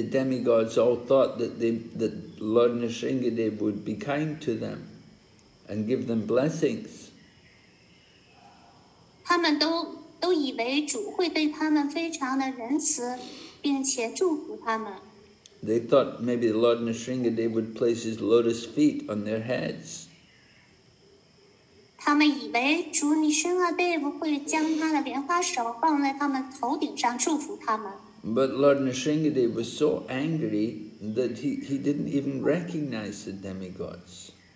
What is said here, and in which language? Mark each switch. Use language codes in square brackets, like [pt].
[en] demigods all thought that that Lord Narasimhadev would be kind to them and give them blessings. [zh] 他们都以为主会对他们非常的仁慈，并且祝福他们。 [en] They thought maybe Lord Narasimhadev would place his lotus feet on their heads. [zh] 他们以为主尼生阿贝不会将他的莲花手放在他们头顶上祝福他们。 [en] But Lord Narasimhadev was so angry that he didn't even recognize the demigods.